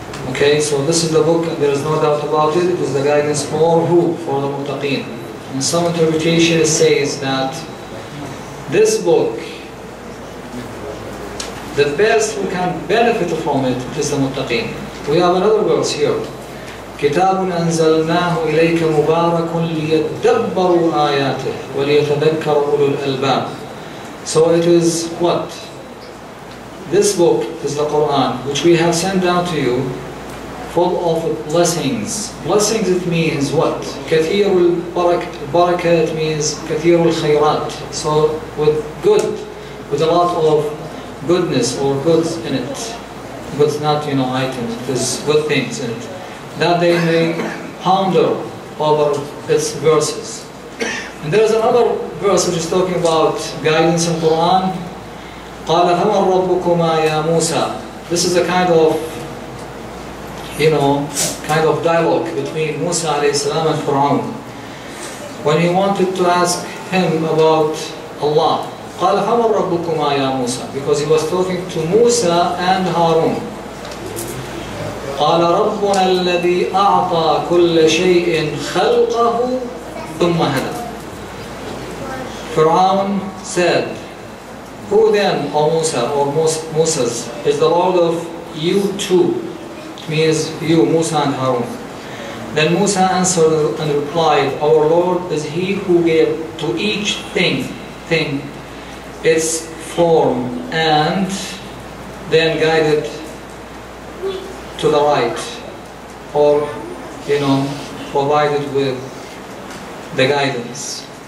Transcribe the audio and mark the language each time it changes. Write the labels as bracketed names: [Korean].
[English] Okay, so this is the book and there is no doubt about it. It is the guidance for who? For the muttaqeen. And some interpretation says that this book, the best who can benefit from it is the muttaqeen. We have another verse here. [Arabic] كِتَابٌ أَنْزَلْنَاهُ إِلَيْكَ مُبَارَكٌ لِيَتَّبَّرُوا آيَاتِهِ وَلِيَتَذَكَّرُوا أُولُو الْأَلْبَابِ [English] So it is what? This book is the Quran, which we have sent down to you, full of blessings. Blessings, it means what? [Arabic] كثير البركة, [English] it means [Arabic] كثير الخيرات. [English] So with good, with a lot of goodness or goods in it. Goods, not, you know, items, it is good things in it. That they may ponder over its verses. And there is another verse which is talking about guidance in Quran. [Arabic] قال فمن ربكما يا موسى [English] This is a kind of you know, kind of dialogue between Musa alayhi salam and Fir'aun. When he wanted to ask him about Allah, [Arabic] قَالَ فَمَا رَبُّكُمَا يَا مُوسَى [English] Because he was talking to Musa and Harun. [Arabic] قَالَ رَبُّنَا الَّذِي أَعْطَى كُلَّ شَيْءٍ خَلْقَهُ ثُمَّ هَدَى [English] Fir'aun said, Who then, O Musa, or Moses, is the Lord of you two? Means you, Musa and Harun. Then Musa answered and replied, Our Lord is he who gave to each thing its form and then guided to the right, or, you know, provided with the guidance.